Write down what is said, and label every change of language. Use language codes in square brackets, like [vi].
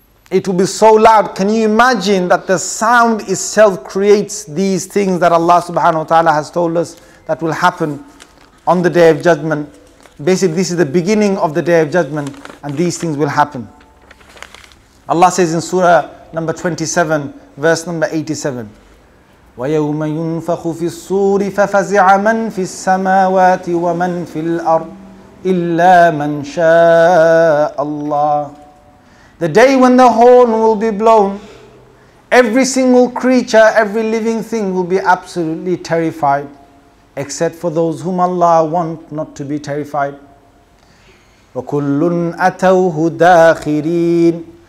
[en] It will be so loud. Can you imagine that the sound itself creates these things that Allah subhanahu wa ta'ala has told us that will happen on the Day of Judgment? Basically, this is the beginning of the Day of Judgment, and these things will happen. Allah says in Surah number 27, verse number 87, [ar] وَيَوْمَ يُنْفَخُ فِي الصُّورِ فَفَزِعَ مَنْ فِي السَّمَاوَاتِ وَمَنْ فِي الْأَرْضِ إِلَّا مَنْ شَاءَ اللَّهِ. [en] The day when the horn will be blown, every single creature, every living thing will be absolutely terrified, except for those whom Allah want not to be terrified. [ar] وَكُلٌّ أَتَوْهُ دَاخِرِينَ.